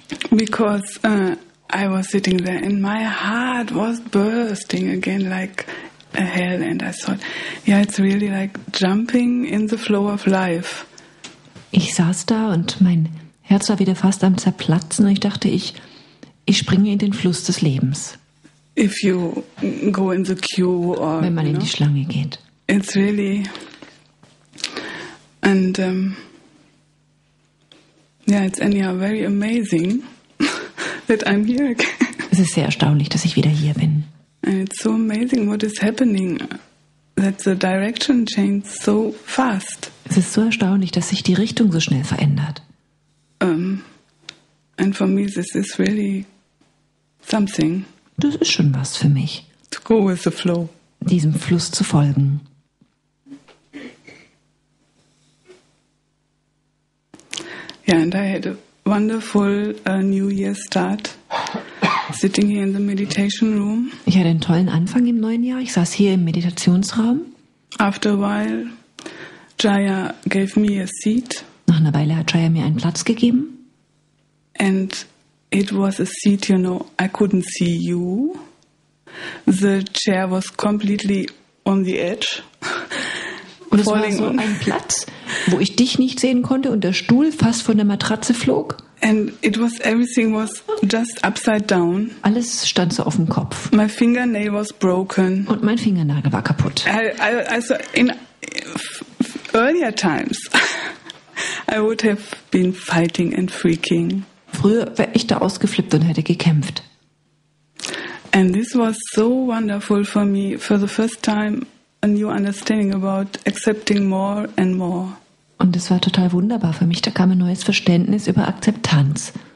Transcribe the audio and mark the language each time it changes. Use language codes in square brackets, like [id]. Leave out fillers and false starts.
[en] Because I was sitting there and my heart was bursting again like a hell and I thought, yeah, it's really like jumping in the flow of life. [de] Ich saß da und mein Herz war wieder fast am Zerplatzen und ich dachte, ich springe in den Fluss des Lebens. [en] If you go in the queue or, [de] wenn man [en] you [de] in die Schlange geht. [en] It's really... And yeah, it's anyhow very amazing that I'm here again. [de] Es ist sehr erstaunlich, dass ich wieder hier bin. [en] And it's so amazing what is happening, that the direction changes so fast. [de] Es ist so erstaunlich, dass sich die Richtung so schnell verändert. [en] And for me this is really something. [de] Das ist schon was für mich. [en] To go with the flow. [de] Diesem Fluss zu folgen. [en] Yeah, and I had a wonderful New Year start sitting here in the meditation room. [de] Ich hatte einen tollen Anfang im neuen Jahr. Ich saß hier im Meditationsraum. [en] After a while, Jaya gave me a seat. [de] Nach einer Weile hat Jaya mir einen Platz gegeben. [en] And it was a seat, you know, I couldn't see you. The chair was completely on the edge. [de] Und es war so ein Platz, wo ich dich nicht sehen konnte und der Stuhl fast von der Matratze flog. [en] And it was, everything was just upside down. [de] Alles stand so auf dem Kopf. [en] My fingernail was broken. [de] Und mein Fingernagel war kaputt. [en] Also in earlier times, I would have been fighting and freaking. [de] Früher wäre ich da ausgeflippt und hätte gekämpft. [en] And this was so wonderful for me, for the first time, a new understanding about accepting more and more. [de] Und es war total wunderbar für mich, da kam ein neues Verständnis über Akzeptanz.